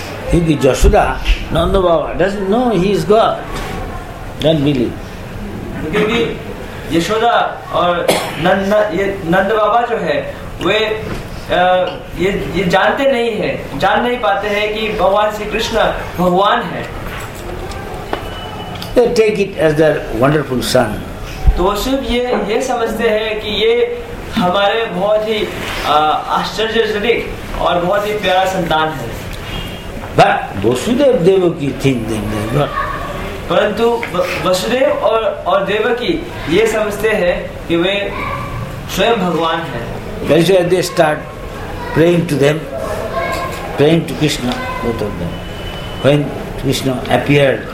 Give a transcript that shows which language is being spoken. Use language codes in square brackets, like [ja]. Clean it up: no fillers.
[en] He is Yashoda, Nanda Baba doesn't know he is God. Don't believe. [hi] क्योंकि यशोदा और नंद बाबा जो है वे ये जानते नहीं है जान नहीं पाते हैं कि भगवान श्री कृष्ण भगवान है. [en] They take it as their wonderful son. [hi] तो वो सिर्फ ये समझते हैं कि ये हमारे बहुत ही आश्चर्यजनक और बहुत ही प्यारा संतान है. [en] But Vasudev Devaki think they are not. [hi] परंतु वसुदेव और देवकी ये समझते हैं कि वे स्वयं भगवान हैं. [en] When they start praying to them, praying to Krishna, both of them, when Krishna appeared,